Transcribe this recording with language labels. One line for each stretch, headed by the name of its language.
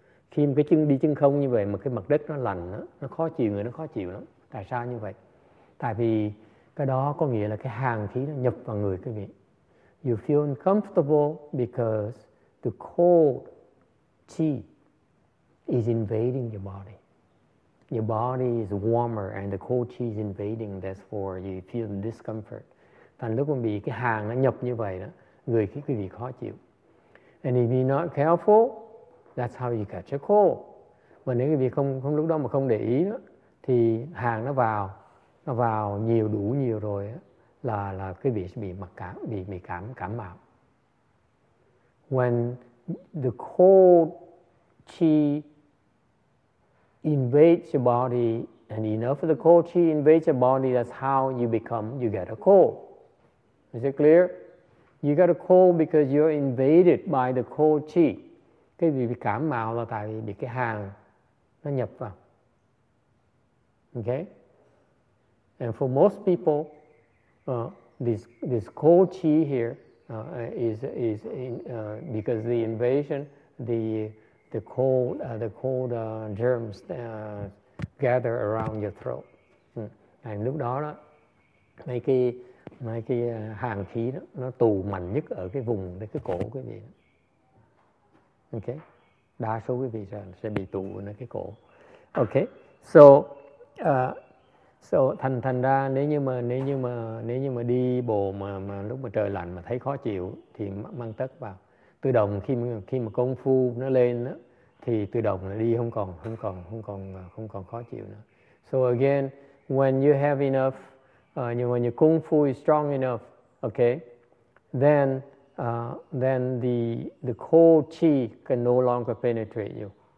Vietnamese: Khi cái chân đi chân không như vậy mà cái mặt đất nó lạnh đó, nó khó chịu, người nó khó chịu lắm. Tại sao như vậy? Tại vì cái đó có nghĩa là cái hàn khí nó nhập vào người quý vị.
English: You feel uncomfortable because the cold qi is invading your body. Your body is warmer and the cold qi is invading, therefore you feel discomfort.
Vietnamese: Thành lúc mà bị cái hàn nó nhập như vậy đó, người khí quý vị khó chịu.
English: And if you're not careful, that's how you catch a cold.
Vietnamese: Mà nếu quý vị không lúc đó mà không để ý đó, thì hàn nó vào nhiều đủ nhiều rồi đó, là quý vị sẽ bị cảm mạo.
English: When the cold qi invades your body, and enough of the cold qi invades your body, that's how you get a cold. Is it clear? You get a cold because you're invaded by the cold qi.
Vietnamese: Cái vị bị cảm mạo là tại vì bị cái hàn nó nhập vào. Okay?
English: And for most people, this cold qi here is because the invasion, the cold germs gather around your throat.
Vietnamese: And lúc đó đó mấy cái hàn khí đó nó tù mạnh nhất ở cái vùng cái cổ quý vị. Okay, đa số quý vị sẽ bị tù ở cái cổ. Okay, so thành ra nếu như mà đi bộ mà lúc mà trời lạnh mà thấy khó chịu thì mang tất vào. Tự động khi mà công phu nó lên đó, thì tự động là đi không còn khó chịu nữa.
English: So again, when you have enough, when your kung fu is strong enough, okay, then the cold qi can no longer penetrate you.